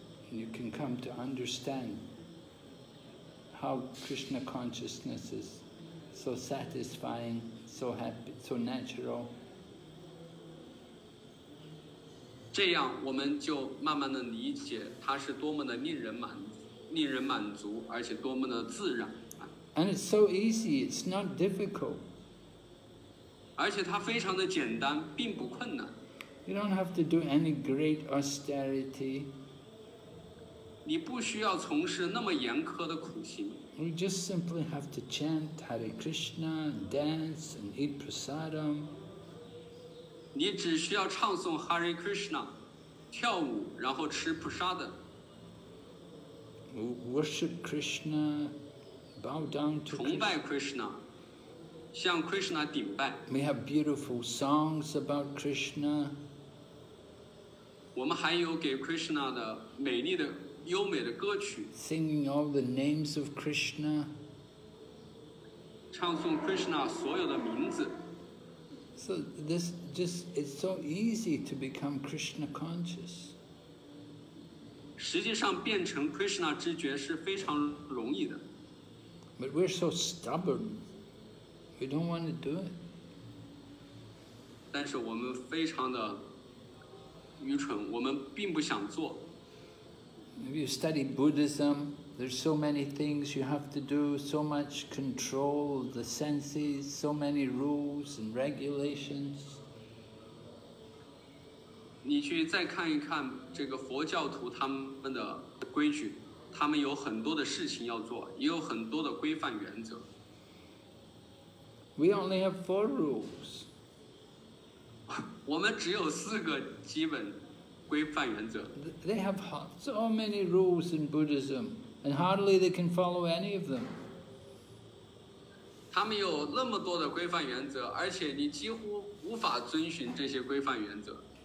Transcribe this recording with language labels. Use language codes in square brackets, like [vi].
[en] And you can come to understand how Krishna consciousness is so satisfying, so happy, so natural. [zh] 这样我们就慢慢的理解它是多么的令人满足，而且多么的自然。 [en] And it's so easy, it's not difficult. [zh] 而且它非常的简单，并不困难。 [en] You don't have to do any great austerity. [zh] 你不需要从事那么严苛的苦行。 [en] You just simply have to chant Hare Krishna and dance and eat prasadam. [zh] 你只需要唱诵 Hare Krishna, 跳舞然后吃 prasadam. [en] Worship Krishna, bow down to Krishna. [zh] 崇拜 Krishna, 向 Krishna 顶拜。 [en] We have beautiful songs about Krishna. [zh] 我们还有给 Krishna 的美丽的优美的歌曲 [en] singing all the names of Krishna [zh] 唱诵 Krishna 所有的名字 [en] so this just it's so easy to become Krishna conscious [zh] 实际上变成 Krishna 知觉是非常容易的 [en] but we're so stubborn we don't want to do it [zh] 但是我们非常的愚蠢，我们并不想做。 [en] If you study Buddhism, there's so many things you have to do, so much control the senses, so many rules and regulations. [zh] 你去再看一看这个佛教徒他们的规矩，他们有很多的事情要做，也有很多的规范原则。 [en] We only have four rules. [zh] 我们只有四个基本规范原则。 [en] They have so many rules in Buddhism, and hardly they can follow any of them. [zh] 他们有那么多的规范原则，而且你几乎无法遵循这些规范原则。